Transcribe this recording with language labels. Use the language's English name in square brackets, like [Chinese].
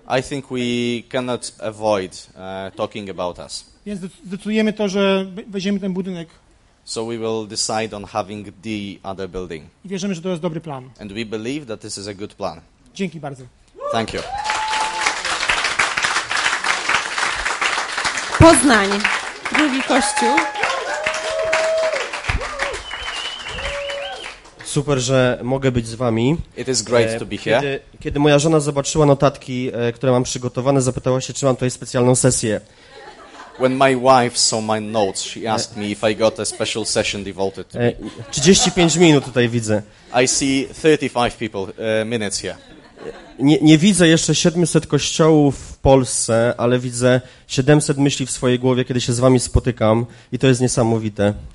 [English] I think we cannot avoid talking about us. [Polish] Więc decydujemy to, że weźmiemy ten budynek. [English] So we will decide on having the other building. [Polish] I wierzymy, że to jest dobry plan. [English] And we believe that this is a good plan. [Polish] Dzięki bardzo. [English] Thank you. [Polish] Poznań, drugi kościół. Super, że mogę być z wami. [English] It is great to be here. [Polish] Kiedy moja żona zobaczyła notatki, które mam przygotowane, zapytała się, czy mam tutaj specjalną sesję. [English] When my wife saw my notes, she asked me if I got a special session devoted to me. [Polish] 35 minut tutaj widzę. [English] I see 35 people minutes here. [Polish] Nie widzę jeszcze 700 kościołów w Polsce, ale widzę 700 myśli w swojej głowie, kiedy się z wami spotykam, i to jest niesamowite.